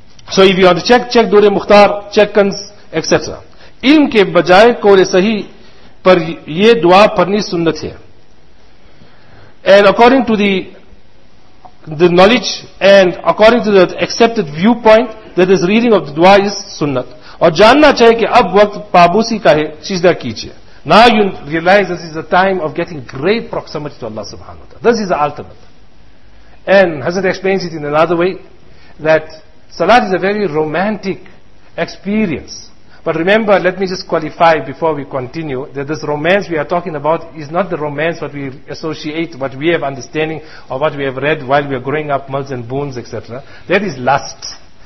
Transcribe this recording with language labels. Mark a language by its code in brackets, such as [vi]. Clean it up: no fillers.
[en] So if you want to check dure mukhtar, check kanz, etc. [ur] Ilm ke bajaye kore sahi par ye dua parni sunnat hai. [en] And according to the knowledge and according to the accepted viewpoint, that this reading of the dua is sunnat. [ur] اور جاننا چاہے کہ اب وقت پابوسی کا ہے سجدہ کیجئے. [en] Now you realize this is the time of getting great proximity to Allah subhanahu wa ta'ala. This is the ultimate. And Hazrat explains it in another way, that salat is a very romantic experience. But remember, let me just qualify before we continue, that this romance we are talking about is not the romance what we associate, what we have understanding or what we have read while we are growing up, mulls and boons, etc. That is lust.